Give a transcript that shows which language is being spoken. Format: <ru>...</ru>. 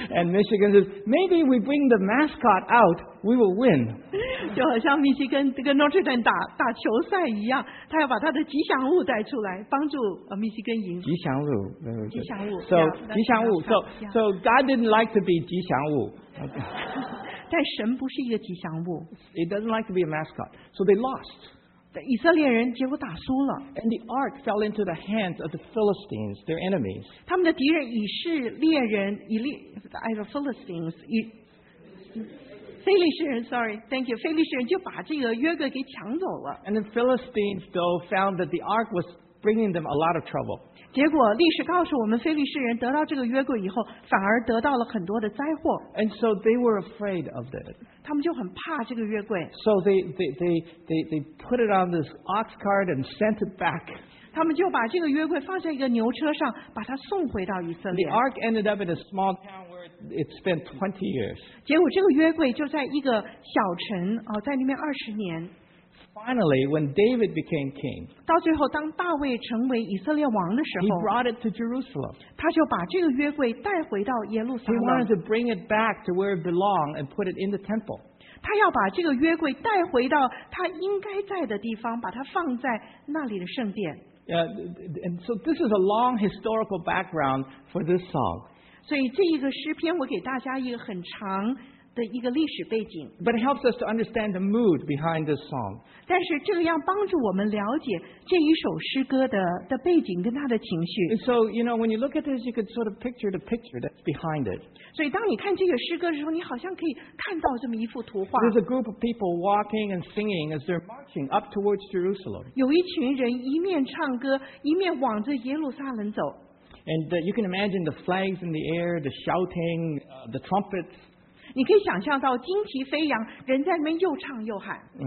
<en>And Michigan says, maybe we bring the mascot out, we will win.</en> <zh>就好像密西根跟 Notre Dame 打球赛一样，他要把他的吉祥物带出来，帮助密西根赢。吉祥物，吉祥物。</zh> <en>So yeah,</en> <zh>吉祥物。</zh> <en>So God didn't like to be</en> <zh>吉祥物。但神不是一个吉祥物。</zh> <en>It doesn't like to be a mascot. So they lost.</en> <zh>以色列人结果打输了。</zh> <en>And the ark fell into the hands of the Philistines, their enemies.</en> <zh>他们的敌人以色列人以利，哎呦 ，Philistines 以。非利士人 ，</zh> <en>sorry, thank you.</en> <zh>非利士人就把这个约柜给抢走了。</zh> <en>And the Philistines though found that the ark was bringing them a lot of trouble.</en> <zh>结果历史告诉我们，非利士人得到这个约柜以后，反而得到了很多的灾祸。</zh> <en>And so they were afraid of it.</en> <zh>他们就很怕这个约柜。</zh> <en>So they put it on this ox cart and sent it back.</en> <zh>他们就把这个约柜放在一个牛车上，把它送回到以色列。</zh> <en>The ark ended up in a small town. It spent 20 years.</en> <zh>结果这个约柜就在一个小城、哦、在里面二十年。</zh> <en>Finally, when David became king,</en> <zh>到最后当大卫成为以色列王的时候</zh> <en>he brought it to Jerusalem.</en> <zh>他就把这个约柜带回到耶路撒冷。</zh> <en>He wanted to bring it back to where it belonged and put it in the temple.</en> <zh>他要把这个约柜带回到他应该在的地方，把它放在那里的圣殿。</zh> <en>And so this is a long historical background for this song.</en> <zh>所以这一个诗篇，我给大家一个很长的一个历史背景。</zh> <en>But it helps us to understand the mood behind this song.</en> <zh>但是这个要帮助我们了解这一首诗歌的背景跟它的情绪。</zh> <en>And so, you know, when you look at this, you could sort of picture the picture that's behind it.</en> <zh>所以当你看这个诗歌的时候，你好像可以看到这么一幅图画。</zh> <en>There's a group of people walking and singing as they're marching up towards Jerusalem.</en> <zh>有一群人一面唱歌，一面往着耶路撒冷走。</zh> <en>And you can imagine the flags in the air, the shouting, the trumpets.</en> <zh>你可以想象到旌旗飞扬，人在那边又唱又喊。</zh>